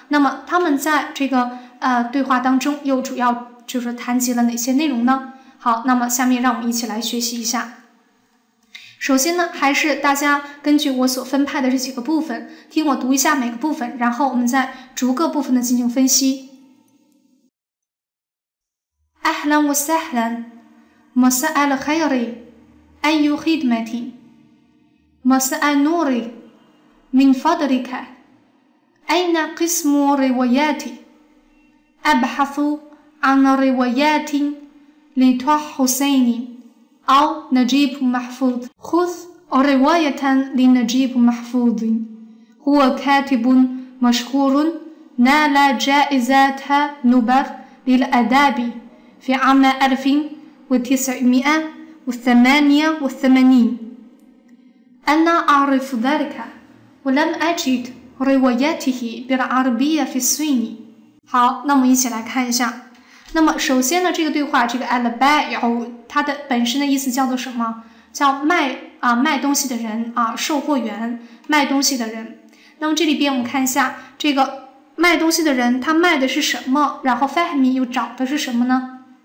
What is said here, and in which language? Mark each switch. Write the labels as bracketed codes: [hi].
[zh] 那么他们在这个对话当中又主要就是谈及了哪些内容呢？好，那么下面让我们一起来学习一下。首先呢，还是大家根据我所分派的这几个部分，听我读一下每个部分，然后我们再逐个部分的进行分析。 [ar] اهلا وسهلا مساء الخير ايو خدمتي مساء النور من فضلك اين قسم رواياتي ابحث عن روايات لطه حسيني أو نجيب محفوظ خذ رواية لنجيب محفوظ هو كاتب مشهور نال جائزة نوبل للأدب في عام 1988 أنا أعرف ذلك ولم أجد روايته بالعربية في الصين. [zh] 好，那我们一起来看一下。那么首先呢，这个对话这个 el bayo 它的本身的意思叫做什么？叫卖东西的人啊，售货员，卖东西的人。那么这里边我们看一下这个卖东西的人他卖的是什么，然后 fahmi 又找的是什么呢？